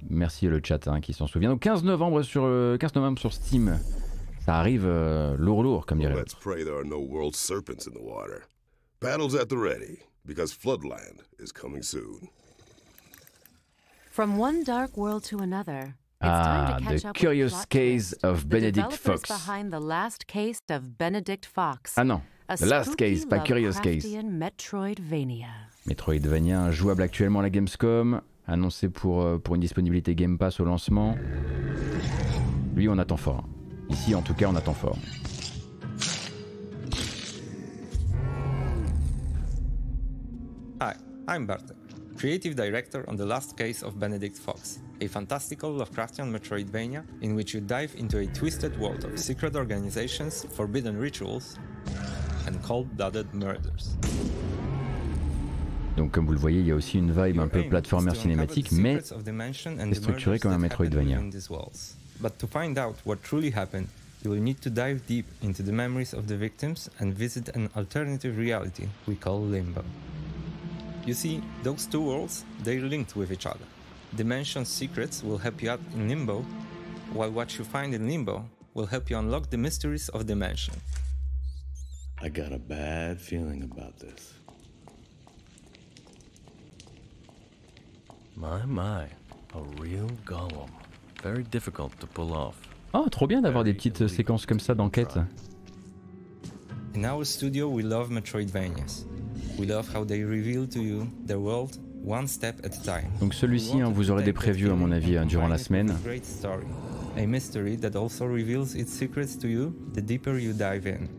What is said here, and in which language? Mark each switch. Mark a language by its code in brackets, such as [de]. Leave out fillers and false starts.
[fr] Merci le chat hein, qui s'en souvient. Donc 15 novembre sur Steam. Ça arrive lourd comme dirait. [en] Let's pray there are no world serpents in the water. Battles at the ready. Because Floodland is coming soon. From one dark world to another, the curious case of Benedict Fox. Behind the last case of Benedict Fox. [fr] Ah non, the last case, pas curious case. Metroidvania. Metroidvania, jouable actuellement à la Gamescom, annoncé pour une disponibilité Game Pass au lancement. Lui, on attend fort. Ici, en tout cas, on attend fort. [en] Hi, I'm Bartek, creative director on The Last Case of Benedict Fox, a fantastical Lovecraftian Metroidvania in which you dive into a twisted world of secret organizations, forbidden rituals, and cold-blooded murders. [fr] Donc comme vous le voyez, il y a aussi une vibe un peu plateformeur cinématique, mais structurée comme un Metroidvania. [en] But to find out what truly happened, you will need to dive deep into the memories of the victims and visit an alternative reality we call Limbo. You see, those two worlds, they're linked with each other. Dimension's secrets will help you out in Limbo, while what you find in Limbo will help you unlock the mysteries of the mansion. I got a bad feeling about this. My, my, a real golem. Very difficult to pull off. [fr] Oh, trop bien d'avoir des petites séquences comme ça d'enquête. [en] In our studio, we love Metroidvanias. We love how they reveal to you their world one step at a time. [fr] Donc celui-ci, hein, vous aurez des previews à mon avis durant la semaine. [en] A great story. A mystery that also reveals its secrets to you the deeper you dive in.